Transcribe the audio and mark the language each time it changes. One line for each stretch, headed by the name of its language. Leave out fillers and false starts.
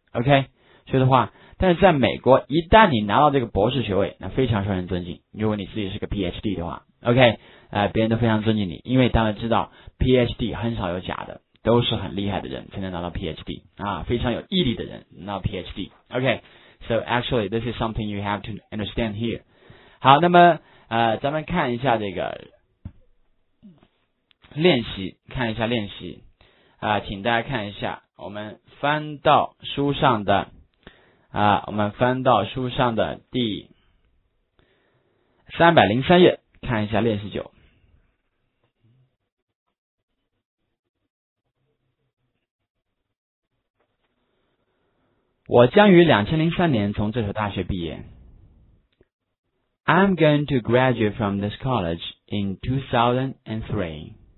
Chinese: OK, 所以的话，但是在美国，一旦你拿到这个博士学位，那非常受人尊敬。如果你自己是个 PhD 的话 ，OK。别人都非常尊敬你，因为大家知道 PhD 很少有假的，都是很厉害的人才能拿到 PhD 啊，非常有毅力的人拿到 PhD。
English: OK, so actually this is something you have to understand here。
Chinese: 好，那么咱们看一下这个练习，看一下练习啊，请大家看一下，我们翻到书上的啊，我们翻到书上的第303页，看一下练习9。我将于2003年从这所大学毕业。
English: I'm going to graduate from this college in 2003.